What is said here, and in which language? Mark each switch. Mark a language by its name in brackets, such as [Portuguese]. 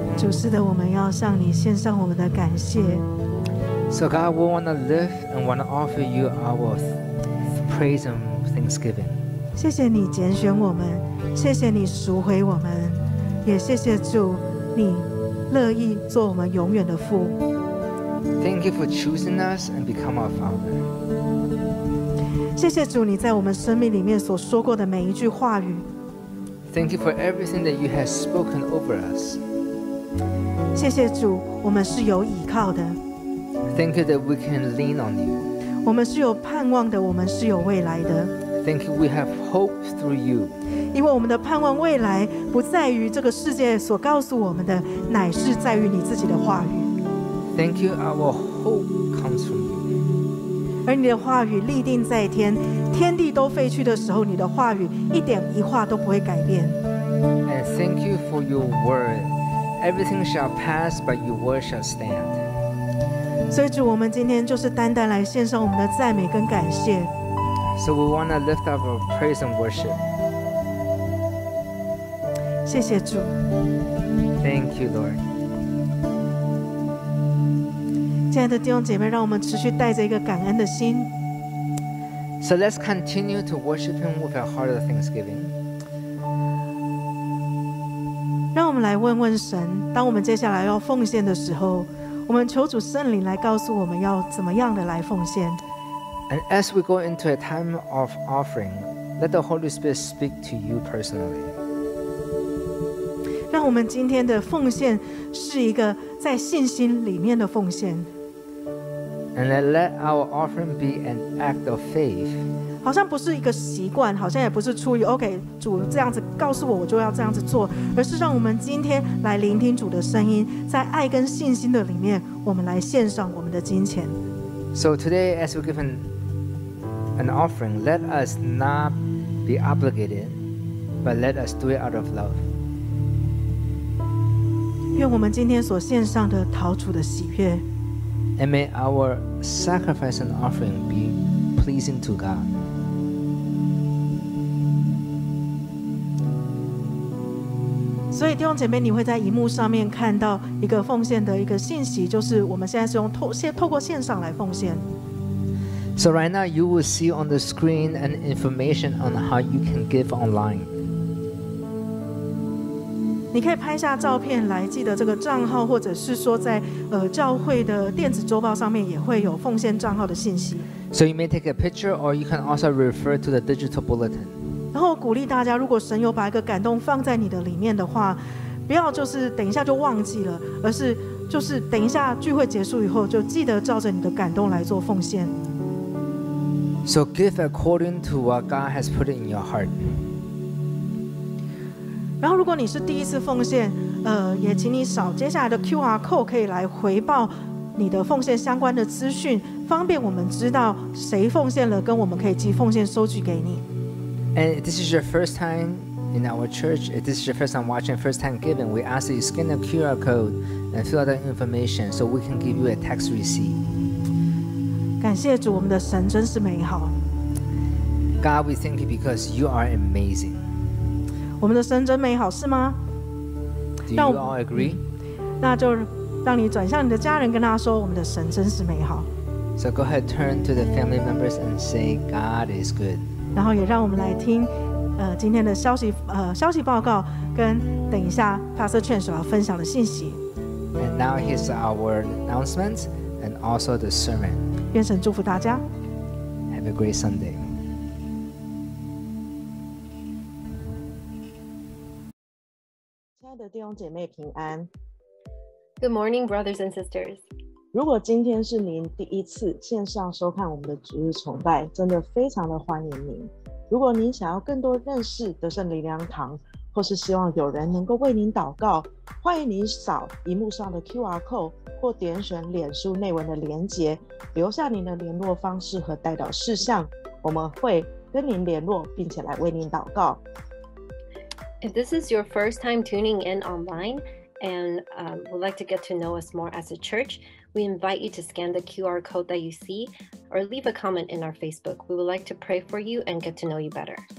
[Chinese] 是的，我们要向你献上我们的感谢。 [English] So God, we want to lift and want to offer you our praise and thanksgiving. [Chinese] 谢谢你拣选我们，谢谢你赎回我们，也谢谢主，你乐意做我们永远的父。 [English] Thank you for choosing us and become our Father. [Chinese] 谢谢主，你在我们生命里面所说过的每一句话语。 [English] Thank you for everything that you have spoken over us. [Chinese] 谢谢主，我们是有倚靠的。 [English] Thank you that we can lean on you. [Chinese] 我们是有盼望的，我们是有未来的。 [English] Thank you, we have hope through you. [Chinese] 因为我们的盼望未来不在于这个世界所告诉我们的，乃是在于你自己的话语。 [English] Thank you, our hope comes from you. [Chinese] 而你的话语立定在天，天地都废去的时候，你的话语一点一话都不会改变。 [English] And thank you for your word. Everything shall pass, but your word shall stand. [Chinese] 所以主，我们今天就是单单来献上我们的赞美跟感谢。 [English] So we want to lift up our praise and worship. [Chinese] 谢谢主。 [English] Thank you, Lord. [Chinese] 亲爱的弟兄姐妹，让我们持续带着一个感恩的心。 [English] So let's continue to worship Him with a heart of thanksgiving. [Chinese] 让我们来问问神，当我们接下来要奉献的时候，我们求主圣灵来告诉我们要怎么样的来奉献。 [English] And as we go into a time of offering, let the Holy Spirit speak to you personally. [Chinese] 让我们今天的奉献是一个在信心里面的奉献。 [English] And let our offering be an act of faith. [Chinese] 好像不是一个习惯，好像也不是出于 OK 主这样子告诉我，我就要这样子做，而是让我们今天来聆听主的声音，在爱跟信心的里面，我们来献上我们的金钱。 [English] So today, as we give an offering, let us not be obligated, but let us do it out of love. [Chinese] 愿我们今天所献上的讨主的喜悦。 [English] And may our sacrifice and offering be pleasing to God. [Chinese] 所以弟兄姐妹，你会在荧幕上面看到一个奉献的一个信息，就是我们现在是用透过线上来奉献。 [English] So right now you will see on the screen an information on how you can give online. [Chinese] 你可以拍下照片来记得这个账号，或者是说在教会的电子周报上面也会有奉献账号的信息。 [English] So you may take a picture or you can also refer to the digital bulletin. [Chinese] 然后鼓励大家，如果神有把一个感动放在你的里面的话，不要就是等一下就忘记了，而是就是等一下聚会结束以后就记得照着你的感动来做奉献。 [English] So give according to what God has put in your heart. [Chinese] 然后如果你是第一次奉献，也请你扫接下来的 QR code 可以来回报你的奉献相关的资讯，方便我们知道谁奉献了，跟我们可以寄奉献收据给你。 [English] And if this is your first time in our church, if this is your first time watching, first time giving, we ask that you scan the QR code and fill out that information so we can give you a tax receipt. [Chinese] 感谢主，我们的神真是美好。 [English] God, we thank you because you are amazing. [Chinese] 我们的神真美好，是吗？ [English] Do you all agree? [Chinese] 那就让你转向你的家人，跟他说，我们的神真是美好。 [English] So go ahead, turn to the family members and say, God is good. [Chinese] 然后也让我们来听，今天的消息报告，跟等一下 Pastor Chen 所要分享的信息。 [English] And now here's our announcements and also the sermon. [Chinese] 愿神祝福大家。 [English] Have a great Sunday. [Chinese] Hi, 的弟兄姐妹平安。 [English] Good morning, brothers and sisters. [Chinese] 如果今天是您第一次线上收看我们的主日崇拜，真的非常的欢迎您。如果您想要更多认识德胜灵粮堂，或是希望有人能够为您祷告，欢迎您扫荧幕上的 QR code 或点选脸书内文的连结，留下您的联络方式和代祷事项，我们会跟您联络，并且来为您祷告。 [English] If this is your first time tuning in online and would like to get to know us more as a church,We invite you to scan the QR code that you see or leave a comment in our Facebook. We would like to pray for you and get to know you better.